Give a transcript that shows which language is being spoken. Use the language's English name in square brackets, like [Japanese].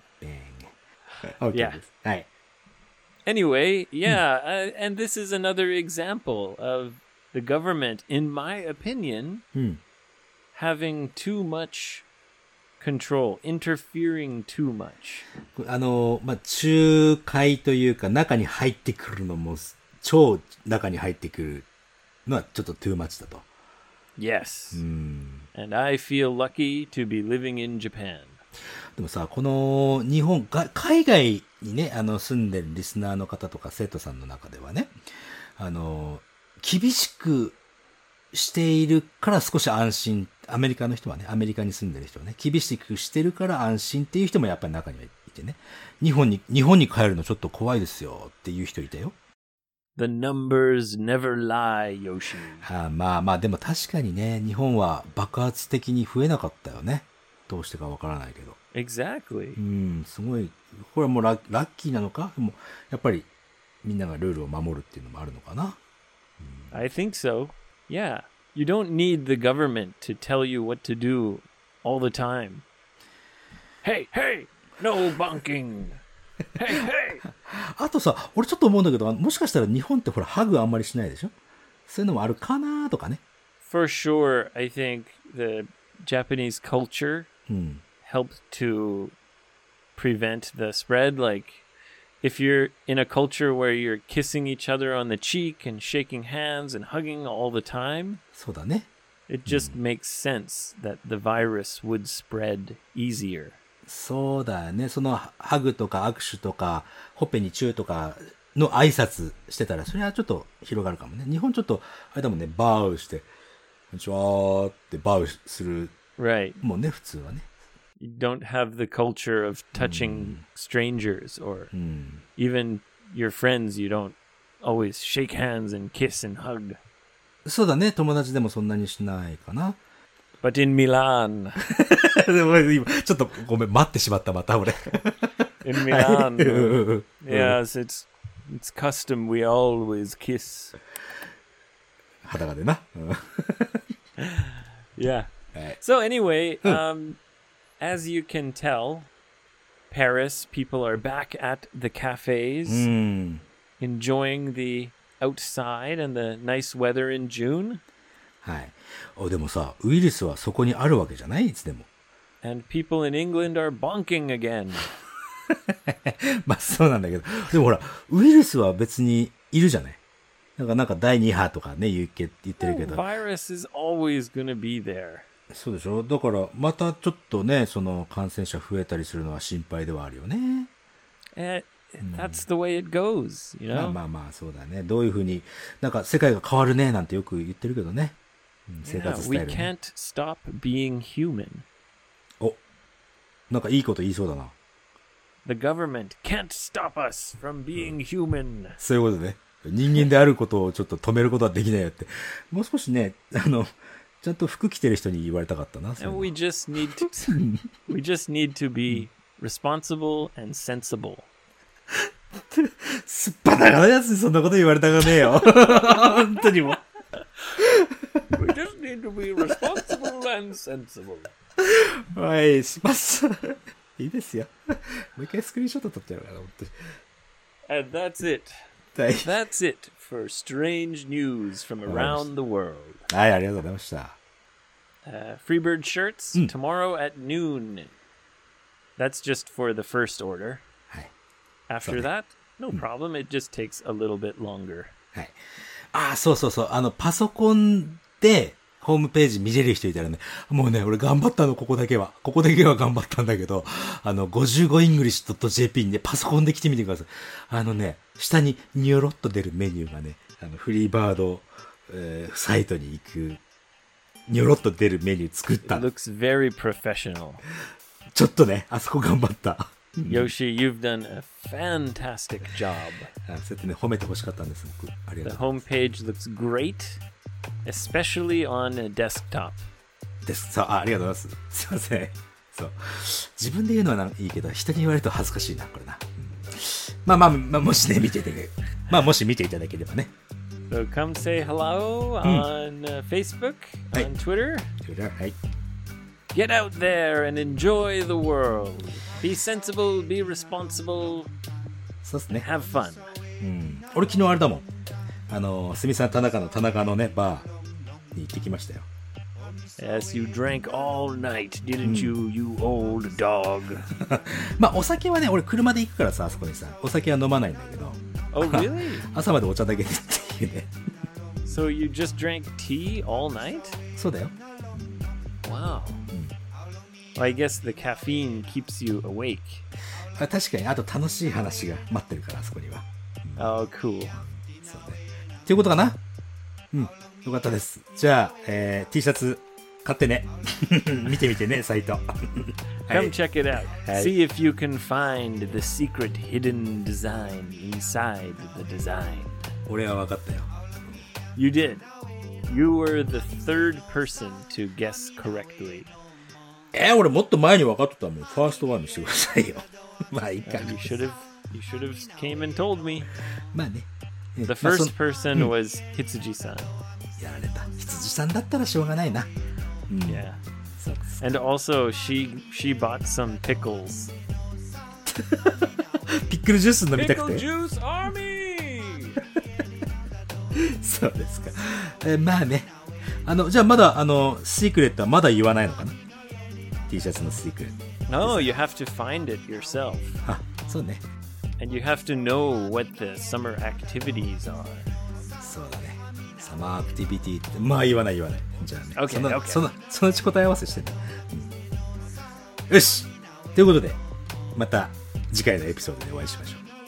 [English] Bang. Okay. Yeah. Hi. Anyway, yeah, and this is another example of the government, in my opinion, having too much control, interfering too much. [Japanese] あの、まあ、仲介というか中に入ってくるのも超中に入ってくるのはちょっと [English] too much [Japanese] だと。 [English] Yes. And I feel lucky to be living in Japan. [Japanese] でもさ、この日本、海外にね、あの住んでるリスナーの方とか生徒さんの中ではね、あの厳しくしているから少し安心、アメリカの人はね、アメリカに住んでる人はね、厳しくしてるから安心っていう人もやっぱり中にはいてね、日本に帰るのちょっと怖いですよっていう人いたよ。 [English] The numbers never lie, Yoshi. [Japanese] はあ、まあまあでも確かにね、日本は爆発的に増えなかったよね。どうしてかわからないけど。 [English] Exactly. [Japanese] すごい。これはもうラッキーなのか？でもやっぱりみんながルールを守るっていうのもあるのかな？ [English] I think so. Yeah. You don't need the government to tell you what to do all the time. Hey, hey! No bonking! Hey, hey! [Japanese] あとさ、俺ちょっと思うんだけど、もしかしたら日本ってほらハグあんまりしないでしょ？そういうのもあるかなとかね。 [English] For sure, I think the Japanese culture helped to prevent the spread. Like, if you're in a culture where you're kissing each other on the cheek and shaking hands and hugging all the time, [Japanese] そうだね。 [English] It just makes sense that the virus would spread easier. [Japanese] そうだね。そのハグとか握手とか、ほっぺにチューとか、の挨拶してたら、それはちょっと広がるかもね。日本ちょっと、あれだもんね、バウして、こんにちはってバウする。 [English] Right. [Japanese] もうね、普通はね。 [English] You don't have the culture of touching strangers or even your friends, you don't always shake hands and kiss and hug. [Japanese] そうだね、友達でもそんなにしないかな。 [English] But in Milan. [Japanese] でも今ちょっとごめん、待ってしまった、また俺。 [English] in Milan. yes, it's custom we always kiss. [Japanese] 裸でな。 [English] yeah. So anyway, as you can tell, Paris, people are back at the cafes, enjoying the outside and the nice weather in June. [Japanese] はい。お、でもさ、ウイルスはそこにあるわけじゃない？いつでも。 [English] And people in England are bonking again. [Japanese] まあそうなんだけど。でもほら、ウイルスは別にいるじゃない。なんか第2波とかね、言ってるけど。 [English] Oh, virus is always gonna be there. [Japanese] そうでしょ？だから、またちょっとね、その感染者増えたりするのは心配ではあるよね。 [English] That's the way it goes, you know? [Japanese] まあまあ、そうだね。どういうふうに、なんか世界が変わるね、なんてよく言ってるけどね。生活スタイル、ね。 [English] Yeah, we can't stop being human. [Japanese] お、なんかいいこと言いそうだな。 [English] The government can't stop us from being human. [Japanese] そういうことね。人間であることをちょっと止めることはできないよって。もう少しね、ちゃんと服着てる人に言われたかったな。 [English] And we just need to, we just need to be responsible and sensible. [Japanese] すっぱだからやつにそんなこと言われたかねえよ。本当にも。 [English] We just need to be responsible and sensible. [Japanese] はい、します。いいですよ。もう一回スクリーンショット撮っちゃうから、本当に。 [English] And that's it. That's it for strange news from around the world. [Japanese] はい、ありがとうございました。 [English] Freebird shirts tomorrow at noon. That's just for the first order. [Japanese] はい。 [English] After that, no problem. It just takes a little bit longer. [Japanese] はい。あ、そうそうそう。パソコンでホームページ見れる人いたらね、もうね、俺頑張ったの、ここだけは。ここだけは頑張ったんだけど、55english.jp にね、パソコンで来てみてください。ね、下にニョロッと出るメニューがね、フリーバード、サイトに行く、ニョロッと出るメニュー作った。 [English] It looks very professional. [Japanese] ちょっとね、あそこ頑張った。 [English] Yoshi, you've done a fantastic job. [Japanese] あ、そうやってね、褒めてほしかったんです、僕。ありがとう。 [English] The homepage looks great. Especially on a desktop. Desktop. [Japanese] あ、ありがとうございます。すいません。そう。自分で言うのはいいけど、人に言われると恥ずかしいな、これな。まあまあ、まあ、もしね、見ていただければ。まあ、もし見ていただければね。 [English] So come say hello on Facebook, on Twitter. [Japanese] Twitter, はい。 [English] Get out there and enjoy the world. Be sensible, be responsible. [Japanese] そうですね。 [English] Have fun. [Japanese] 俺昨日あれだもん。すみさん田中のねバーに行ってきましたよ。 [English] Yes, you drank all night, didn't you, you old dog? [Japanese] まあお酒はね、俺車で行くからさ、あそこにさ、お酒は飲まないんだけど。 [English] Oh really? [Japanese] 朝までお茶だけでっていうね。 [English] So you just drank tea all night? [Japanese] そうだよ。 [English] Wow. Well, I guess the caffeine keeps you awake. [Japanese] 確かに、あと楽しい話が待ってるからあそこには。 [English] Oh, cool. [Japanese] っていうことかな。うん、よかったです。じゃあ、T シャツ買ってね。見てみてね、サイト。 [English] Come check it out. See if you can find the secret hidden design inside the design. [Japanese] 俺は分かったよ。 [English] You did. You were the third person to guess correctly. [Japanese] え、俺もっと前に分かってたもん。 [English] ファーストワン [Japanese] にしてくださいよ。まあいいかな。 [English] You should have came and told me. [Japanese] まあね。 [English] The first person was Hitsuji-san. [Japanese] やられた。 Hitsuji-san だったらしょうがないな。 [English] Yeah. And also, she bought some pickles. [Japanese] ピックルジュース飲みたくて。 [English] Pickle Juice Army! [Japanese] そうですか。まあね。じゃあまだ、シークレットはまだ言わないのかな？T シャツのシークレット。 [English] No, you have to find it yourself. [Japanese] あ、そうね。 [English] And you have to know what the summer activities are. [Japanese] そうだね。 [English] サマーアクティビティ [Japanese] って、まあ言わない言わない。じゃあね。 [English] Okay, [Japanese] そのうち答え合わせしてね。よし！ということで、また次回のエピソードでお会いしましょう。